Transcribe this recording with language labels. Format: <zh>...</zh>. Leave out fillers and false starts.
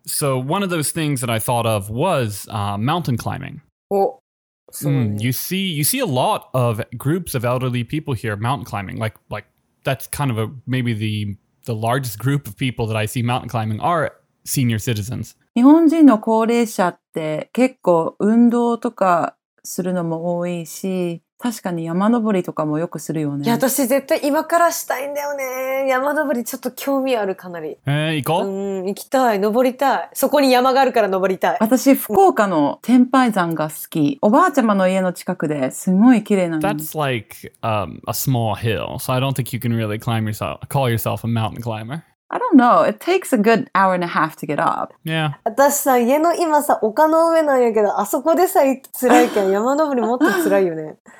<en>So one of those things that I thought of was mountain climbing. Oh. You see a lot of groups of elderly people here mountain climbing, like that's kind of maybe the largest group of people that I see mountain climbing are senior citizens.</en> <ja>日本人の高齢者って結構運動とかするのも多いし、確かに山登りとかもよくするよね。いや、私絶対今からしたいんだよね。山登りちょっと興味あるかなり。行こう。行きたい。登りたい。そこに山があるから登りたい。私、福岡の天拝山が好き。おばあちゃまの家の近くですごい綺麗なの。</ja> <en>That's like, a small hill, so I don't think you can really climb yourself, call yourself a mountain climber. I don't know. It takes a good hour and a half to get up. Yeah.</en> <ja>私さ、家の今さ、丘の上なんやけど、あそこでさ、辛いけん、山登りもっと辛いよね。</ja>